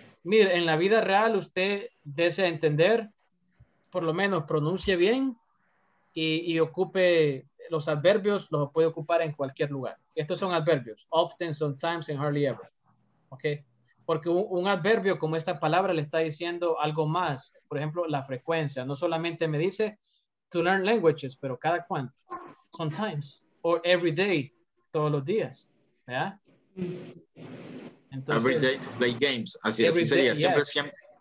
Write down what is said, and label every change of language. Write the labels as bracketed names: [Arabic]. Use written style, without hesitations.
[Spanish] Mire, en la vida real usted desea entender, por lo menos pronuncie bien y ocupe los adverbios, los puede ocupar en cualquier lugar. Estos son adverbios, [English] often, sometimes, and hardly ever. Okay. [Spanish] Porque un adverbio como esta palabra le está diciendo algo más. Por ejemplo, la frecuencia. No solamente me dice [English] to learn languages, [Spanish] pero cada cuánto. [English] Sometimes. Or every day. [Spanish] Todos los días. ¿Ya? [English] Entonces, every day to play games. [Spanish] Así es, sería. [English] Day, siempre, yes. Siempre.